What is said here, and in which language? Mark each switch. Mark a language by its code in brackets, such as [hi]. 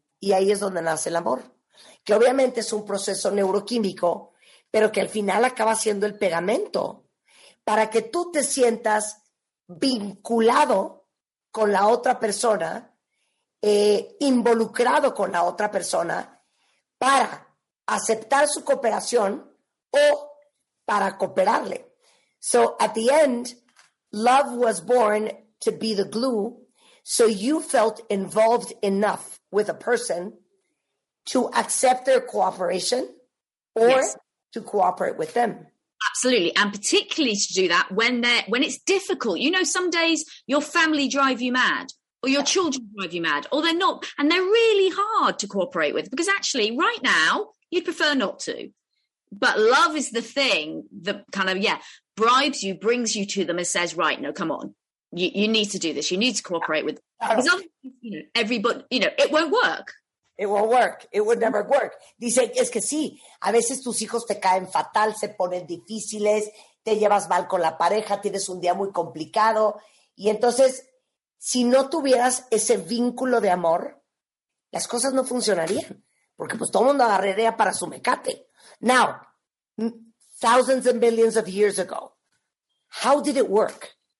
[es] Y ahí es donde nace el amor, que obviamente es un proceso neuroquímico, pero que al final acaba siendo el pegamento para que tú te sientas vinculado con la otra persona, involucrado con la otra persona para aceptar su cooperación o para cooperarle. [en] So at the end, love was born to be the glue, so you felt involved enough with a person to accept their cooperation or to cooperate with them. Absolutely. And particularly to do that when it's difficult. You know, some days your family drive you mad, or your children drive you mad, or they're not. And they're really hard to cooperate with, because actually right now you'd prefer not to. But love is the thing that kind of, bribes you, brings you to them and says, right, no, come on. You need to do this. You need to cooperate with them. Because otherwise, you know, everybody, you know, it won't work. It won't work. It would never work. [es] Dice, es que sí, a veces tus hijos te caen fatal, se ponen difíciles, te llevas mal con la pareja, tienes un día muy complicado. Y entonces, si no tuvieras ese vínculo de amor, las cosas no funcionarían. Porque pues todo el mundo agarraría para su mecate. [en] Now, thousands and millions of years ago, how did it work?